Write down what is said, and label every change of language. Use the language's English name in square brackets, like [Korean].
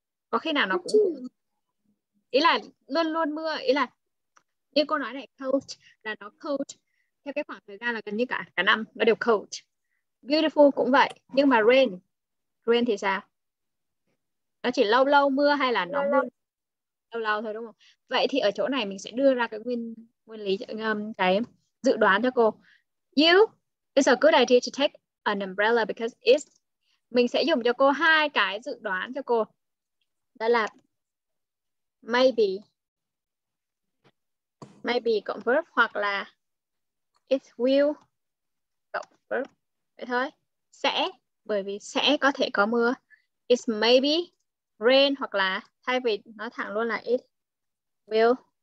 [Vietnamese] Có khi nào nó cũng ý là luôn luôn mưa, ý là như cô nói này, cold là nó cold theo cái khoảng thời gian là gần như cả năm nó đều cold. Beautiful cũng vậy, nhưng mà rain thì sao? Nó chỉ lâu lâu mưa hay là nó mưa lâu lâu thôi, đúng không? Vậy thì ở chỗ này mình sẽ đưa ra cái nguyên lý, cái dự đoán cho cô. You [English] It's a good idea to take an umbrella because it's... [Vietnamese] Mình sẽ dùng cho cô hai cái dự đoán cho cô. Đó là maybe. Maybe cộng verb hoặc là it will cộng verb. Vậy thôi. Sẽ, bởi vì sẽ có thể có mưa. [English] It's maybe rain [Vietnamese] hoặc là thay vì nói thẳng luôn là it will.